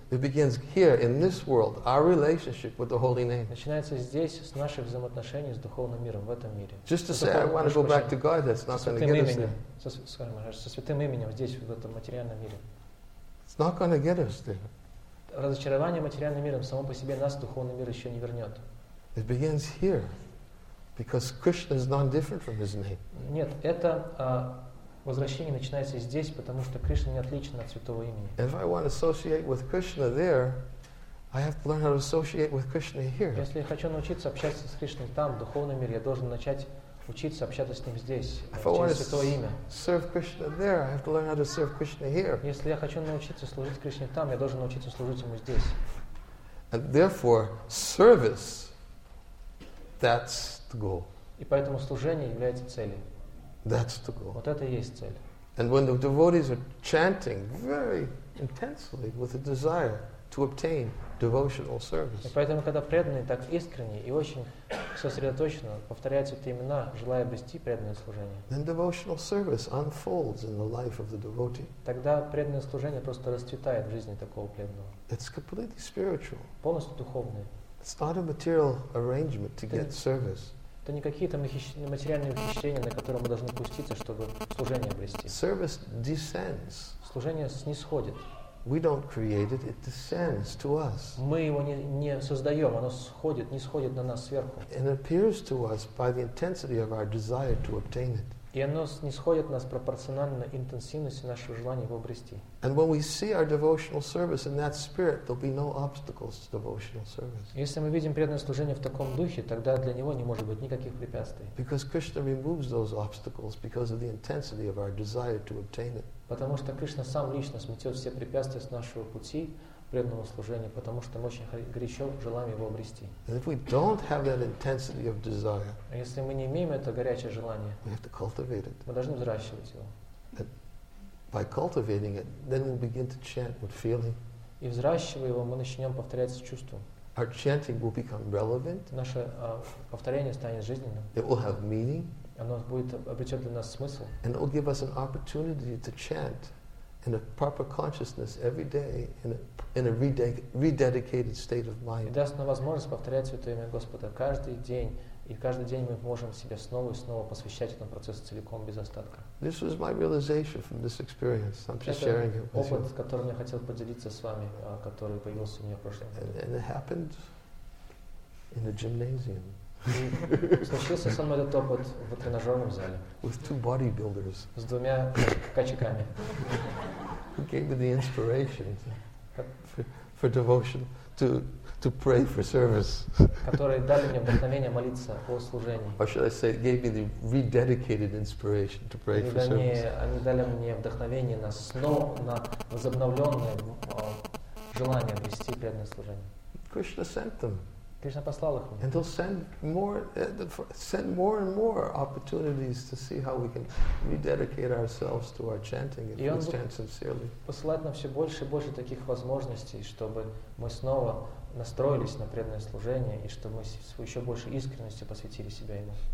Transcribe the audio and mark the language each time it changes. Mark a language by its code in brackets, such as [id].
[en] It begins here, in this world, our relationship with the Holy Name. [ru] Начинается здесь, с наших взаимоотношений с духовным миром, в этом мире. [en] Just to say, I want to go back to God, that's not going to get us there. [ru] Скажем, со святым именем здесь, в этом материальном мире. [en] It's not going to get us there. [ru] Разочарование материальным миром само по себе нас в духовный мир еще не вернет. [en] It begins here, because Krishna is non-different from His name. [ru] Нет, это... Возвращение начинается здесь, потому что Кришна не отличен от святого имени. [en] If I want to associate with Krishna there, I have to learn how to associate with Krishna here. [ru] Если я хочу научиться общаться с Кришной там, в духовном мире, я должен начать учиться общаться с ним здесь, через святое имя. [en] Serve Krishna there, I have to learn how to serve Krishna here. [ru] Если я хочу научиться служить Кришне там, я должен научиться служить ему здесь. [en] And therefore, service, that's the goal. [ru] И поэтому служение является целью. [en] That's the goal. [ru] Вот это и есть цель. [en] And when the devotees are chanting very intensely with a desire to obtain devotional service. [ru] И поэтому, когда преданные так искренне и очень сосредоточенно повторяют эти имена, желая обрести преданное служение. [en] Then devotional service unfolds in the life of the devotee. [ru] Тогда преданное служение просто расцветает в жизни такого преданного. [en] It's completely spiritual. [ru] Полностью духовное. [en] It's not a material arrangement to get service. [ru] Это не какие-то материальные ухищрения, на которые мы должны пуститься, чтобы служение обрести. [en] Service descends. [ru] Служение снисходит. [en] We don't create it, it descends to us. [ru] Мы его не создаем, оно снисходит на нас сверху. [en] And appears to us by the intensity of our desire to obtain it. [ru] И оно снисходит нас пропорционально интенсивности нашего желания его обрести. [en] And when we see our devotional service in that spirit, there'll be no obstacles to devotional service. [ru] Если мы видим преданное служение в таком духе, тогда для него не может быть никаких препятствий. [en] Because Krishna removes those obstacles because of the intensity of our desire to obtain it. [ru] Потому что Кришна сам лично сметет все препятствия с нашего пути преданного служения, потому что мы очень горячо желаем его обрести. [en] And if we don't have that intensity of desire, [ru] если мы не имеем это горячее желание, [en] we have to cultivate it. [ru] Мы должны взращивать его. [en] And by cultivating it, then we'll begin to chant with feeling. [ru] И взращивая его, мы начнем повторять с чувством. [en] Our chanting will become relevant. [ru] Наше повторение станет жизненным. [en] It will have meaning. [ru] Оно будет обретет для нас смысл. [en] And it will give us an opportunity to chant in a proper consciousness every day in a rededicated state of mind. [ru] И даст нам возможность повторять Святое имя Господа каждый день, и каждый день мы можем себя снова и снова посвящать этому процессу целиком без остатка. [en] This was my realization from this experience. I'm just sharing it with you. [ru] Опыт, которым я хотел поделиться с вами, который появился у меня в прошлом году. [en] And it happened in a gymnasium. [ru] Случился со мной этот опыт в тренажерном зале. [en] With two bodybuilders. [ru] С двумя качаками. [en] Who gave me the inspiration for devotion to pray for service. [ru] Которые дали мне вдохновение молиться о служении. [en] Or should I say, gave me the rededicated inspiration to pray for service. [ru] Они дали мне вдохновение на снова на возобновленное желание вести преданное служение. [en] Krishna sent them. [ru] Кришна послал их мне. [en] And he'll send more and more opportunities to see how we can rededicate ourselves to our chanting if we chant sincerely. [ru] Посылать нам все больше и больше таких возможностей, чтобы мы снова настроились на преданное служение и чтобы мы с еще большей искренностью посвятили себя ему.